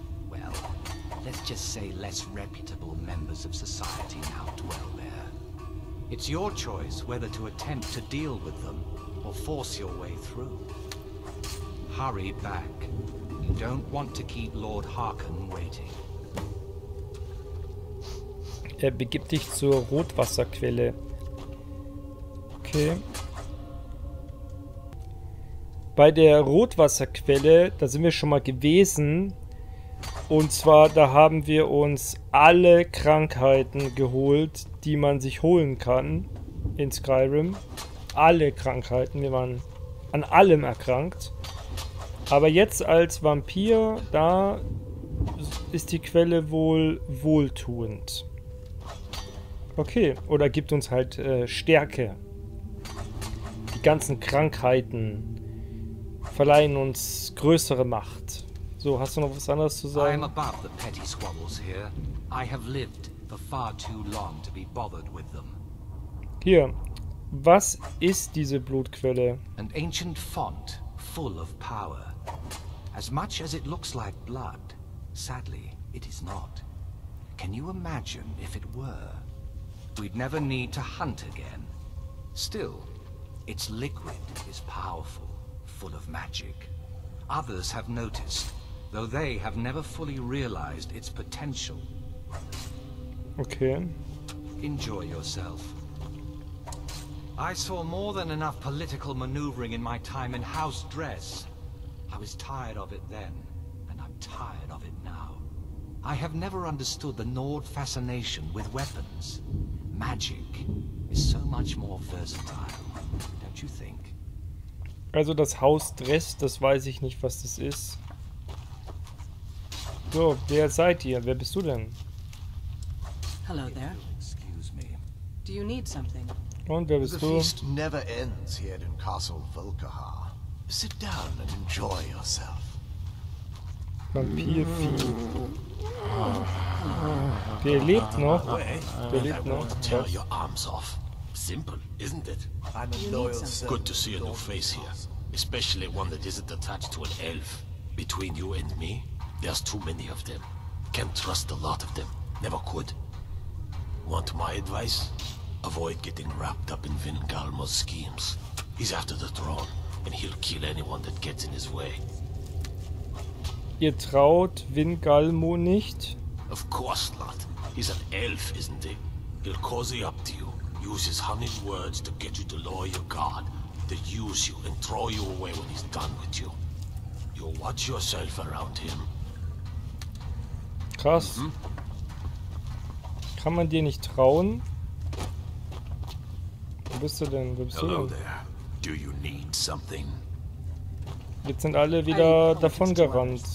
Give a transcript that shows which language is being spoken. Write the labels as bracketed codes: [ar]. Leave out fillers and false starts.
[en] Well, let's just say less reputable members of society now dwell there. It's your choice whether to attempt to deal with them or force your way through. Hurry back. You don't want to keep Lord Harkon waiting. [de] Er begibt dich zur Rotwasserquelle. Okay. Bei der Rotwasserquelle, da sind wir schon mal gewesen. Und zwar, da haben wir uns alle Krankheiten geholt, die man sich holen kann in Skyrim. Alle Krankheiten, wir waren an allem erkrankt. Aber jetzt als Vampir, da ist die Quelle wohl wohltuend. Okay, oder gibt uns halt Stärke. Die ganzen Krankheiten verleihen uns größere Macht. So, hast du noch was anderes zu sagen? [en] I'm above the petty squabbles here. I have lived for far too long to be bothered with them. [de] Hier, was ist diese Blutquelle? [en] An ancient font, full of power. As much as it looks like blood, sadly, it is not. Can you imagine if it were? We'd never need to hunt again. Still, its liquid is powerful, full of magic. Others have noticed, though they have never fully realized its potential. Okay. Enjoy yourself. I saw more than enough political maneuvering in my time in house dress. I was tired of it then, and I'm tired of it now. I have never understood the Nord fascination with weapons. Magic is so much more versatile, don't you think? [de] Also das Haus Dress, das weiß ich nicht, was das ist. So, wer seid ihr? Wer bist du denn? [en] Hello there. Excuse me. Do you need something? [de] Und wer bist du? [en] The feast never ends here in Castle Volkahar. Sit down and enjoy yourself. [de] Vampirvieh. Der lebt noch. Der lebt noch. [en] Tear your arms off. Simple, isn't it? I'm a loyal servant. Good to see a new face here, especially one that isn't attached to an elf. Between you and me, there's too many of them. Can't trust a lot of them. Never could. Want my advice? Avoid getting wrapped up in Vingalmo's schemes. He's after the throne, and he'll kill anyone that gets in his way. [de] Ihr traut Vingalmo nicht? [en] Of course not. He's an elf, isn't he? He'll cozy up to you, use his honeyed words to get you to lower your guard, to use you and throw you away when he's done with you. You'll watch yourself around him. [de] Krass. Mm-hmm. Kann man dir nicht trauen? Wo bist du denn? Wo bist [en] Hello [de] du? [en] There. Do you need something? [de] Jetzt sind alle wieder davon gerannt.